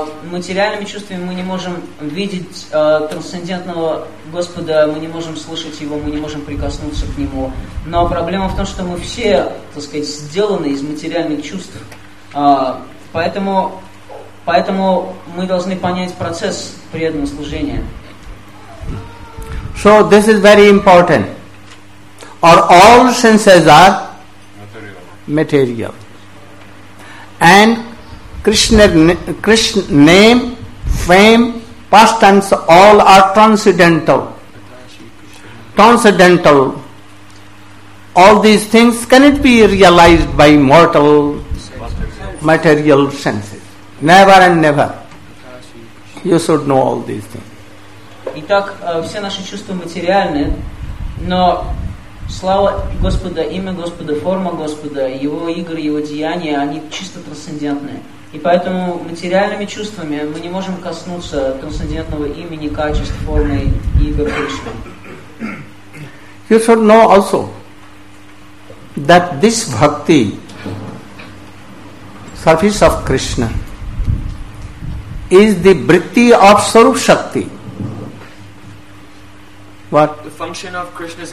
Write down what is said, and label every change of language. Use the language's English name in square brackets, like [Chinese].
[Russian] Материальными чувствами мы не можем видеть трансцендентного Господа, мы не можем слышать Его, мы не можем прикоснуться к Нему. Но проблема в том, что мы все, так сказать, сделаны из материальных чувств. Поэтому мы должны понять процесс преданного служения. [English] So this is very important. Or all senses are material. And Krishna name, fame, pastimes, all are transcendental. Transcendental. All these things cannot be realized by mortal material senses. Never and never. You should know all these things. [Russian] Итак, все наши чувства материальны, но слава Господа, имя Господа, форма Господа, Его игры, Его деяния, они чисто трансцендентны. И поэтому материальными чувствами мы не можем коснуться трансцендентного имени, качеств, формы и игр Кришны. [English] You should know also that this bhakti, service of Krishna, is the vritti of Swarup Shakti. What? The function of Krishna's...